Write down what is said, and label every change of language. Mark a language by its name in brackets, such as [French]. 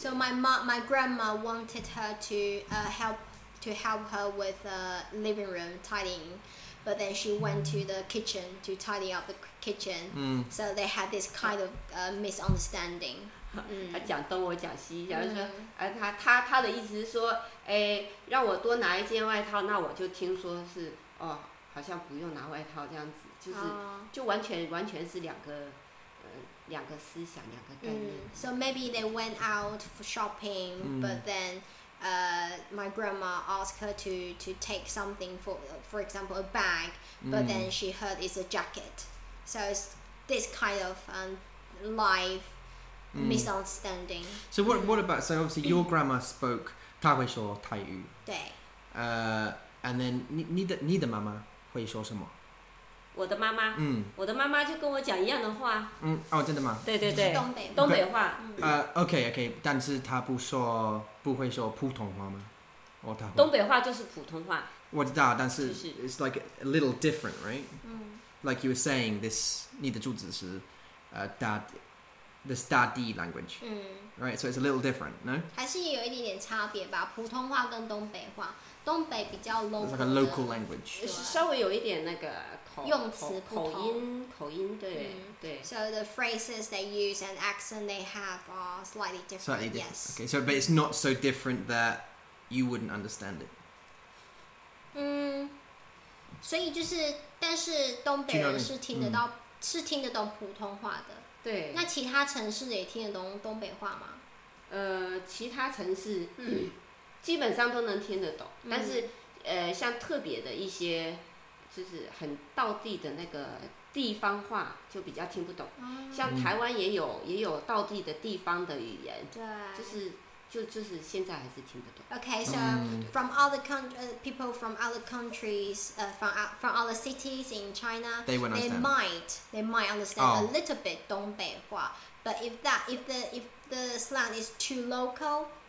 [English] So my mom, my grandma wanted her to help her with the living room tidying, but then she went to the kitchen to tidy up the kitchen. So they had this kind of misunderstanding. [Chinese] 他讲东我讲西，假如说他的意思是说，让我多拿一件外套，那我就听说是好像不用拿外套这样子，就是完全是两个思想，两个概念。 [English] So maybe they went out for shopping, but then my grandma asked her to take something for example a bag, but then she heard it's a jacket. So it's this kind of life misunderstanding. So what about, so obviously your grandma spoke [Chinese] 她会说泰语，对。 [English] And then [Chinese] 你的妈妈会说什么？我的妈妈，我的妈妈就跟我讲一样的话。真的吗？对对对，东北话。 OK， 但是她不会说普通话吗？东北话就是普通话。我知道，但是 [English] it's like a little different, right? Like you were saying, this [Chinese] 你的主旨是 [English] this daddy language. Right, so it's a little different, no? [Chinese] 还是有一点点差别吧，普通话跟东北话。东北比较 local, [English] like a local language, [Chinese] 稍微有一点那个用词口音，对，对。 [English] So the phrases they use and accent they have are slightly different. Slightly different. Yes. Okay. So, but it's not so different that you wouldn't understand it. [Chinese] 所以就是，但是东北人是听得到， [English] you know what I mean? [Chinese] 是听得懂普通话的。对。那其他城市也听得懂东北话吗？其他城市。基本上都能听得懂，但是像特别的一些就是很道地的那个地方话就比较听不懂，像台湾也有道地的地方的语言，对，就是现在还是听不懂。 [English] OK, so from other people from other countries, from other cities in China, they might understand a little bit 东北话, but if the slang is too local,